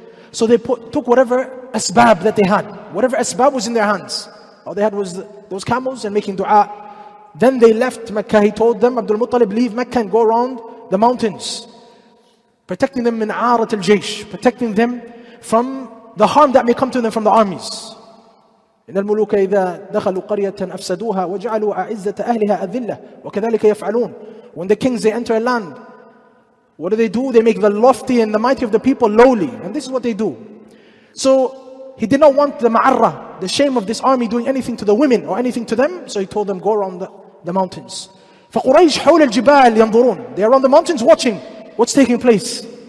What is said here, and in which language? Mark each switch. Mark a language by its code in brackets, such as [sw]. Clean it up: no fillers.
[en] So they took whatever asbab that they had, whatever asbab was in their hands. All they had was those camels and making dua. Then they left Mecca. He told them, Abdul Muttalib, leave Mecca and go around the mountains, protecting them [ar] min aarat al-jaysh, [en] protecting them from the harm that may come to them from the armies. [ar] إن الملوك إذا دخلوا قرية أفسدوها وجعلوا أعزة أهلها أذلة وكذلك يفعلون. [en] When the kings, they enter a land, what do? They make the lofty and the mighty of the people lowly. And this is what they do. So he did not want the ma'arra, the shame of this army, doing anything to the women or anything to them. So he told them, go around the mountains. [ar] فَقُرَيْشْ حَوْلَ الْجِبَالِ يَنْظُرُونَ [en] They are on the mountains watching what's taking place.